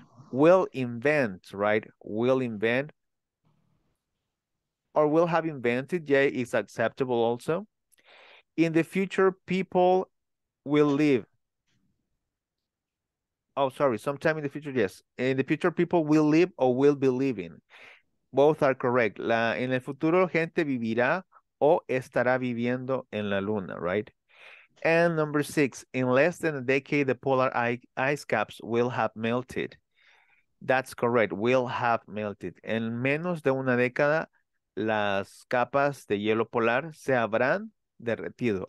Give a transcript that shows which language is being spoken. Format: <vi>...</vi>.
<en>Will invent, right? Will invent or will have invented, yeah, is acceptable also. In the future, people will live. Oh, sorry, sometime in the future, yes. In the future, people will live or will be living. Both are correct.</en> <es>En el futuro, gente vivirá o estará viviendo en la luna, right?</es> <en>And number six, in less than a decade, the polar ice caps will have melted. That's correct, will have melted.</en> <es>En menos de una década, las capas de hielo polar se habrán derretido.</es>